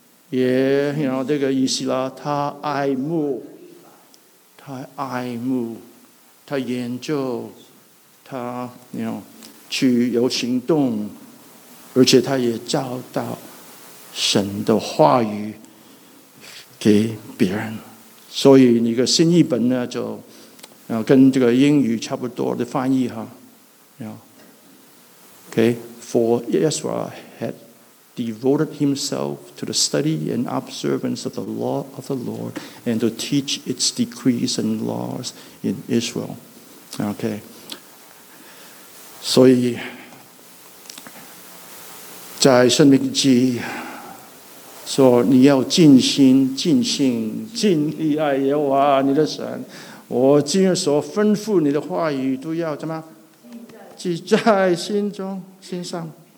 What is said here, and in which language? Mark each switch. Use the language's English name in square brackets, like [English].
[Chinese] 这个以西拉他爱慕，他爱慕，他研究，他去有行动，而且他也找到神的话语给别人。所以那个新译本呢，就跟这个英语差不多的翻译哈。 [English] For Ezra had devoted himself to the study and observance of the law of the Lord and to teach its decrees and laws in Israel. Okay. [Chinese] 所以在申命记说，你要尽心尽性尽力爱耶和华你的神，我今日所吩咐你的话语都要怎么记在心中心上。